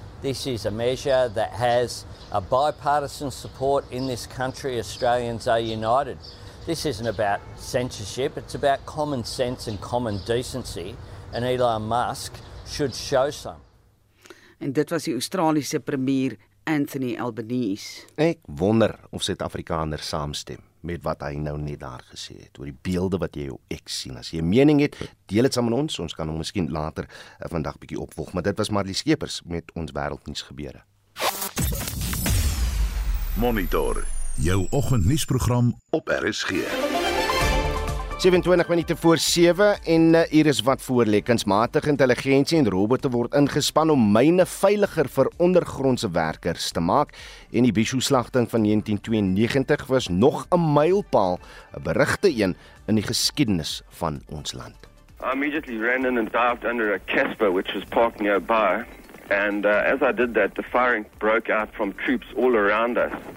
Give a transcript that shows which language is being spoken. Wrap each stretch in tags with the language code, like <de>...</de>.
<en>This is a measure that has a bipartisan support in this country. Australians are united. This isn't about censorship, it's about common sense and common decency, and Elon Musk should show some.</en> <af>En dit was die Australiese premier Anthony Albanese. Ek wonder of Suid-Afrikaners saamstem met wat hy nou net daar gesê het oor die beelde wat jy op X sien. As jy 'n mening het, deel dit saam met ons. Ons kan hom miskien later vandag bietjie opvolg, maar dit was Marley Skeepers met ons wêreldnuus gebeure. Monitor jou oggendnuusprogram op RSG. 27 minute voor 7 en hier is wat voor lê. Kunsmatige intelligensie en robotte word ingespan om myne veiliger vir ondergrondse werkers te maak en die Bisho-slagting van 1992 was nog 'n mylpaal, 'n berugte een in die geskiedenis van ons land.</af> <en>I immediately ran in and dived under a Casper which was parked nearby and as I did that the firing broke out from troops all around us.</en>